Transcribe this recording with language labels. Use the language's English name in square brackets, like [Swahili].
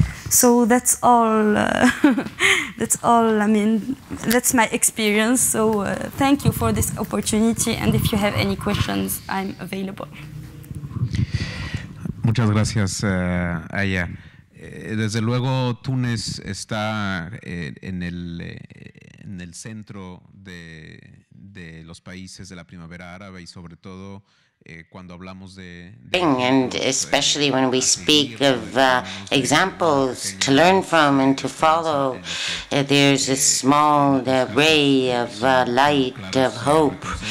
[English] So that's all. That's my experience. So thank you for this opportunity. And if you have any questions, I'm available. [Spanish] Muchas gracias, Aya. Desde luego, Túnez está en el centro de los países de la primavera árabe y sobre todo. [English] And especially when we speak of examples to learn from and to follow, there's a small ray of light, of hope,